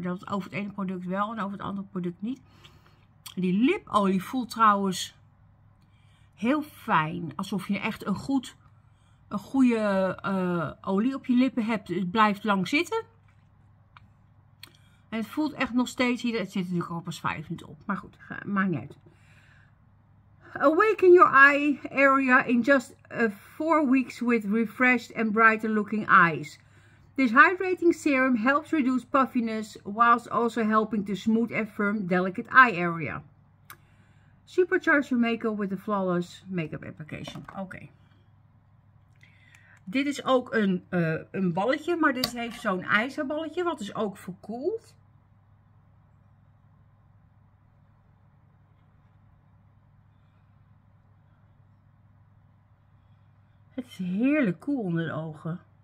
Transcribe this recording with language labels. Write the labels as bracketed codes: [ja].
[nl] Dat over het ene product wel en over het andere product niet. Die lipolie voelt trouwens heel fijn. Alsof je echt een goede olie op je lippen hebt. Het blijft lang zitten. En het voelt echt nog steeds hier. Het zit natuurlijk al pas 5 minuten op. Maar goed, maakt niet uit. [en] Awaken your eye area in just 4 weeks with refreshed and brighter looking eyes. This hydrating serum helps reduce puffiness whilst also helping to smooth and firm delicate eye area. Supercharge your makeup with a flawless makeup application. [nl] Oké. Dit is ook een balletje, maar dit heeft zo'n ijzerballetje wat is ook verkoeld. Het is heerlijk koel onder de ogen.